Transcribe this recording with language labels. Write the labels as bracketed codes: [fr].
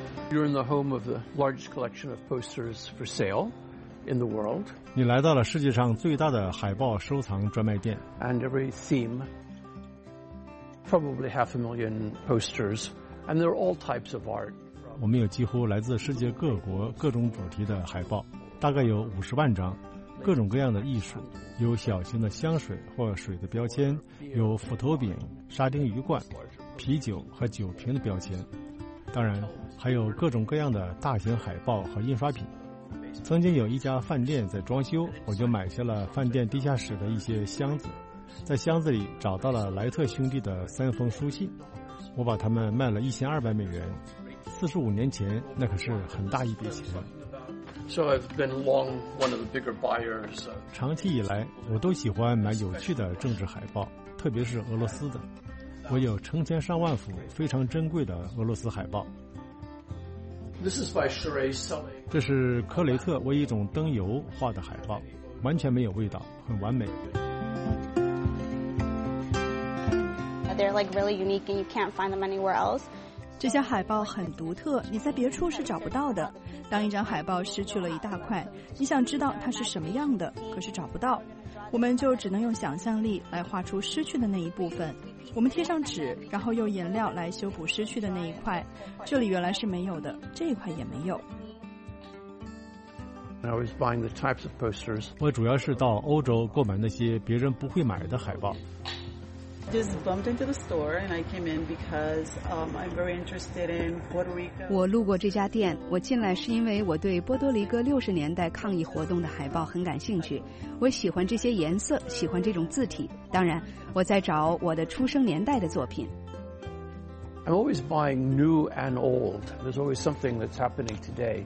[en] You're in the home of the largest collection of posters for sale in the world. [zh] 你来到了世界上最大的海报收藏专卖店。 [en] And every theme. Probably half a million posters, and they're all types of art. [zh] 我们有几乎来自世界各国各种主题的海报，大概有50万张，各种各样的艺术，有小型的香水或水的标签，有斧头柄、沙丁鱼罐、啤酒和酒瓶的标签，当然还有各种各样的大型海报和印刷品。曾经有一家饭店在装修，我就买下了饭店地下室的一些箱子。在箱子里找到了莱特兄弟的3封书信，我把他们卖了1200美元。 45年前，那可是很大一笔钱。 [en] So I've been long one of the bigger buyers. [zh] 长期以来，我都喜欢买有趣的政治海报，特别是俄罗斯的。我有成千上万幅非常珍贵的俄罗斯海报。 [en] This is by Sheree Sully. [zh] 这是科雷特为一种灯油画的海报，完全没有味道，很完美。 [en] They're like really unique and you can't find them anywhere else. [zh] 这些海报很独特，你在别处是找不到的。当一张海报失去了一大块，你想知道它是什么样的，可是找不到。我们就只能用想象力来画出失去的那一部分。我们贴上纸，然后用颜料来修补失去的那一块。这里原来是没有的，这一块也没有。 [en] I was buying the types of posters. [zh] 我主要是到欧洲购买那些别人不会买的海报。 [en] Just bumped into the store and I came in because I'm very interested in Puerto Rico. [zh] 我路过这家店，我进来是因为我对波多黎各60年代抗议活动的海报很感兴趣。我喜欢这些颜色，喜欢这种字体。当然，我在找我的出生年代的作品。 [en] I'm always buying new and old. There's always something that's happening today.